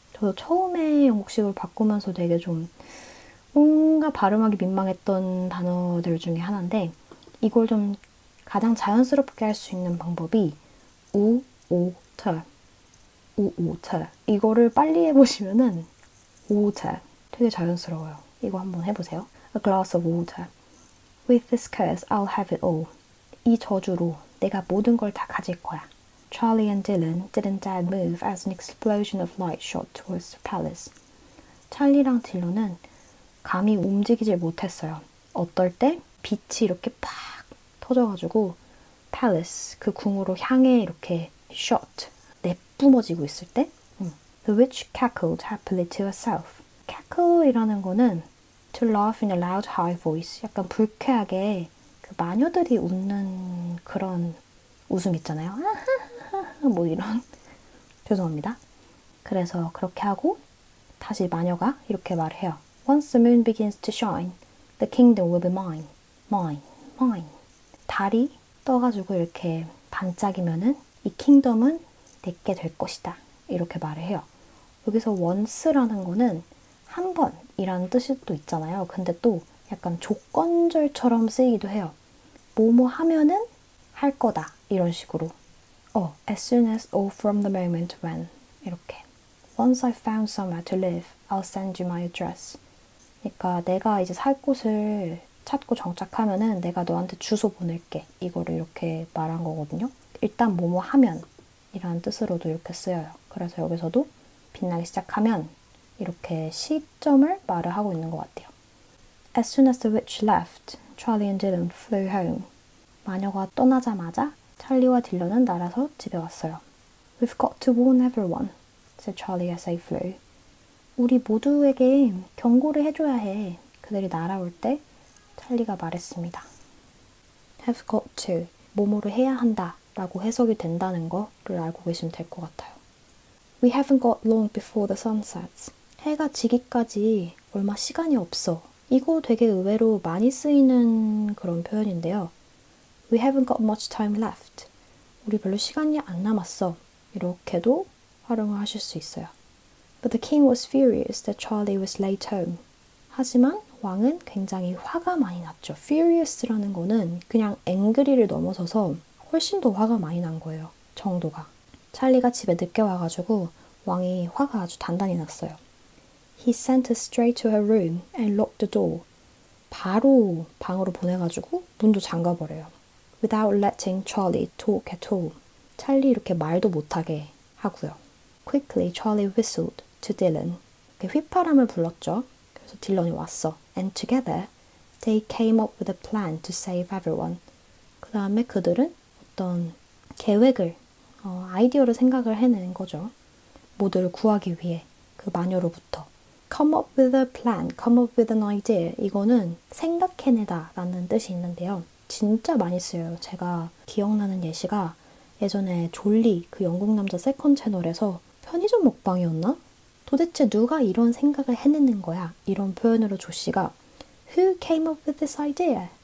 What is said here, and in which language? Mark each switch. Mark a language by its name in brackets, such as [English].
[Korean] 저도 처음에 영국식으로 바꾸면서 되게 좀 뭔가 발음하기 민망했던 단어들 중에 하나인데 이걸 좀 가장 자연스럽게 할 수 있는 방법이 우오터 우오터 이거를 빨리 해보시면은 water 되게 자연스러워요. 이거 한번 해보세요. [English] A glass of water. With this curse, I'll have it all. [Korean] 이 저주로 내가 모든 걸 다 가질 거야. [English] Charlie and Dylan didn't dare move as an explosion of light shot towards the palace. [Korean] 찰리랑 딜런은 감히 움직이질 못했어요. 어떨 때 빛이 이렇게 팍 터져가지고 palace 그 궁으로 향해 이렇게 shot 내뿜어지고 있을 때 [English] The witch cackled happily to herself. [Korean] Cackle이라는 거는 [English] to laugh in a loud high voice [Korean] 약간 불쾌하게 그 마녀들이 웃는 그런 웃음 있잖아요. 뭐 이런 죄송합니다. 그래서 그렇게 하고 다시 마녀가 이렇게 말해요. [English] Once the moon begins to shine, the kingdom will be mine. Mine. Mine. [Korean] 달이 떠가지고 이렇게 반짝이면은 이 킹덤은 내게 될 것이다. 이렇게 말을 해요. 여기서 once라는 거는 한 번이라는 뜻이 또 있잖아요. 근데 또 약간 조건절처럼 쓰이기도 해요. 뭐뭐 하면은 할 거다. 이런 식으로. [English] As soon as or from the moment when. [Korean] 이렇게. [English] Once I found somewhere to live, I'll send you my address. [Korean] 그러니까 내가 이제 살 곳을 찾고 정착하면은 내가 너한테 주소 보낼게. 이거를 이렇게 말한 거거든요. 일단 뭐뭐 하면 이라는 뜻으로도 이렇게 쓰여요. 그래서 여기서도 빛나기 시작하면 이렇게 시점을 말을 하고 있는 것 같아요. [English] As soon as the witch left, Charlie and Dylan flew home. [Korean] 마녀가 떠나자마자 찰리와 딜런은 날아서 집에 왔어요. [English] We've got to warn everyone, said Charlie as they flew. [Korean] 우리 모두에게 경고를 해줘야 해. 그들이 날아올 때 찰리가 말했습니다. Have got to, 뭐뭐를 해야 한다 라고 해석이 된다는 거를 알고 계시면 될 것 같아요. [English] We haven't got long before the sun sets. [Korean] 해가 지기까지 얼마 시간이 없어. 이거 되게 의외로 많이 쓰이는 그런 표현인데요. [English] We haven't got much time left. [Korean] 우리 별로 시간이 안 남았어. 이렇게도 활용을 하실 수 있어요. [English] But the king was furious that Charlie was late home. [Korean] 하지만 왕은 굉장히 화가 많이 났죠. Furious라는 거는 그냥 angry를 넘어서서 훨씬 더 화가 많이 난 거예요. 정도가. 찰리가 집에 늦게 와가지고 왕이 화가 아주 단단히 났어요. [English] He sent her straight to her room and locked the door. [Korean] 바로 방으로 보내가지고 문도 잠가버려요. [English] Without letting Charlie talk at all. [Korean] 찰리 이렇게 말도 못하게 하고요. [English] Quickly, Charlie whistled to Dylan. [Korean] 이렇게 휘파람을 불렀죠. 그래서 딜런이 왔어. [English] And together, they came up with a plan to save everyone. [Korean] 그 다음에 그들은 어떤 계획을, 아이디어를 생각을 해낸 거죠. 모두를 구하기 위해, 그 마녀로부터. [English] Come up with a plan, come up with an idea. [Korean] 이거는 생각해내다 라는 뜻이 있는데요. 진짜 많이 쓰여요. 제가 기억나는 예시가 예전에 졸리, 그 영국 남자 세컨 채널에서 편의점 먹방이었나? 도대체 누가 이런 생각을 해내는 거야? 이런 표현으로 조씨가 [English] Who came up with this idea?